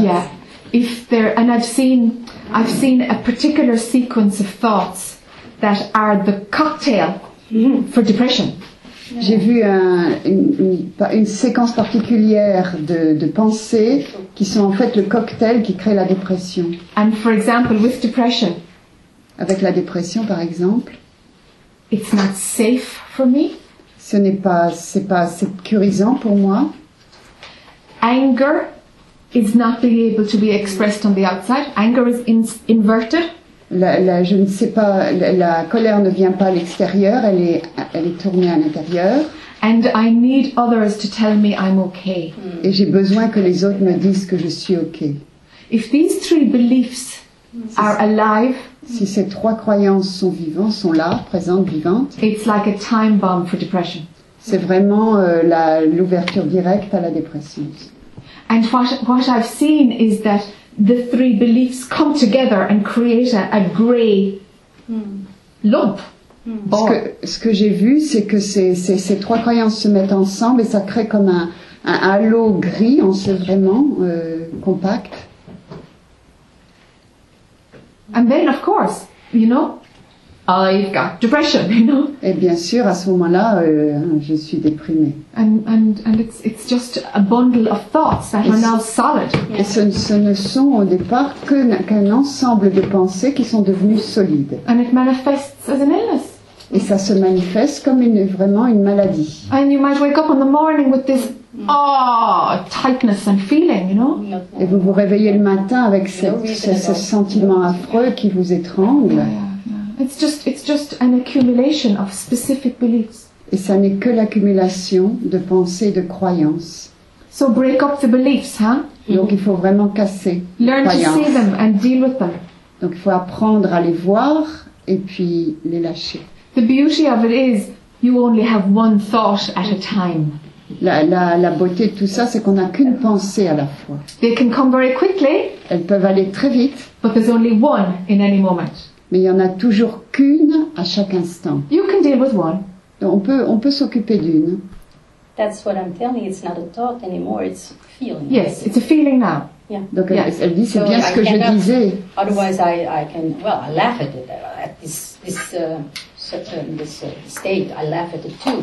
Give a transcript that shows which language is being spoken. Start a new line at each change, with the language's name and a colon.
English: Yeah, I've seen a particular sequence of thoughts that are the cocktail for depression.
French: J'ai vu une séquence particulière de pensées qui sont en fait le cocktail qui crée la dépression.
English: And for example, with depression.
French: Avec la dépression, par exemple.
English: It's not safe for me.
French: C'est pas sécurisant pour moi.
English: Anger is not being able to be expressed on the outside. Anger is inverted.
French: La colère ne vient pas à l'extérieur, elle est tournée à l'intérieur.
English: And I need others to tell me I'm okay.
French: Et j'ai besoin que les autres me disent que je suis okay.
English: If these three beliefs are alive,
French: si ces trois croyances sont vivantes, sont là, présentes, vivantes,
English: it's like a time bomb for depression.
French: C'est vraiment l'ouverture directe à la dépression.
English: And what I've seen is that the three beliefs come together and create a gray lump.
French: Ce que j'ai vu, c'est que ces trois croyances se mettent ensemble et ça crée comme un halo gris, on sait vraiment, compact.
English: And then, of course, you know, I've got depression, you know.
French: Et bien sûr, à ce moment-là, je suis déprimée.
English: And it's just a bundle of thoughts that are now solid.
French: Et ce ne sont au départ qu'un ensemble de pensées qui sont devenues solides.
English: And it manifests as an illness.
French: Et ça se manifeste comme vraiment une maladie.
English: And you might wake up in the morning with this tightness and feeling, you know.
French: Et vous vous réveillez le matin avec ce sentiment affreux qui vous étrangle.
English: Yeah. It's just an accumulation of specific beliefs.
French: Et ça n'est que l'accumulation de pensées, de croyances.
English: So break up the beliefs, huh?
French: Donc il faut vraiment casser
English: Learn
French: les croyances.
English: To see them and deal with them.
French: Donc il faut apprendre à les voir et puis les lâcher.
English: The beauty of it is you only have one thought at a time.
French: La beauté de tout ça, c'est qu'on n'a qu'une pensée à la fois.
English: They can come very quickly.
French: Elles peuvent aller très vite.
English: But there's only one in any moment.
French: Mais il y en a toujours qu'une à chaque instant.
English: You can deal with one.
French: Donc on peut s'occuper d'une.
English: That's what I'm telling you. It's not a thought anymore. It's feeling. Yes, it's a feeling now. Yeah.
French: Donc
English: yeah.
French: Elle dit, c'est so bien ce que
English: cannot,
French: je disais.
English: Otherwise, I can well, I laugh at it. At this state, I laugh at it too.